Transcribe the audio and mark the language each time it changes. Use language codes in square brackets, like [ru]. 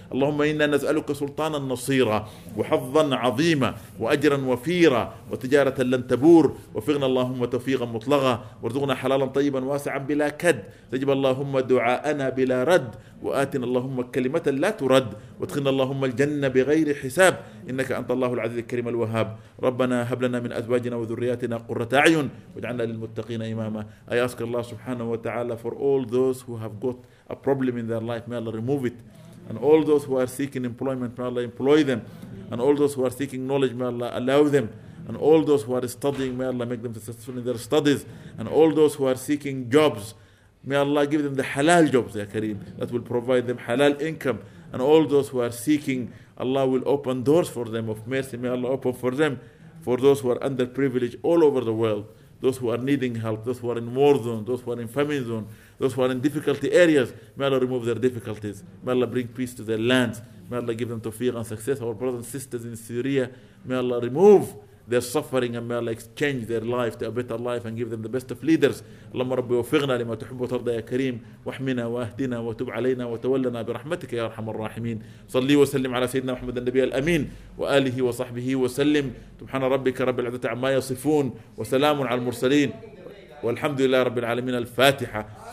[ar] اللهم إنا نسألك سلطانا نصيرا وحظا عظيما وأجرا وفيرا وتجارة لن تبور وفغنا اللهم توفيقا مطلقا وارزقنا حلالا طيبا واسعا بلا كد. تجب اللهم دعاءنا بلا رد وآتنا اللهم كلمة لا ترد وادخلنا اللهم الجنة بغير حساب إنك أنت الله العزيز الكريم الوهاب. ربنا هب لنا من أزواجنا وذرياتنا قرة أعين واجعلنا للمتقين إماما. [en] I ask Allah subhanahu wa ta'ala for all those who have got a problem in their life, may Allah remove it. And all those who are seeking employment, may Allah employ them. And all those who are seeking knowledge, may Allah allow them. And all those who are studying, may Allah make them successful in their studies. And all those who are seeking jobs, may Allah give them the halal jobs, Ya Kareem, that will provide them halal income. And all those who are seeking, Allah will open doors for them of mercy. May Allah open for them. For those who are underprivileged all over the world, those who are needing help, those who are in war zone, those who are in famine zone, those who are in difficulty areas, may Allah remove their difficulties. May Allah bring peace to their lands. May Allah give them tawfiq and success. Our brothers and sisters in Syria, may Allah remove their suffering and may Allah exchange their life to a better life and give them the best of leaders. [ar] اللهم رب وفقنا لما تحب وترضى يا كريم واحمنا واهدنا وتب علينا وتولنا برحمتك يا أرحم الراحمين. صلي وسلم على سيدنا محمد النبي الأمين وآله وصحبه وسلم. سبحان ربك رب العزة عما يصفون وسلام على المرسلين والحمد لله رب العالمين. الفاتحة.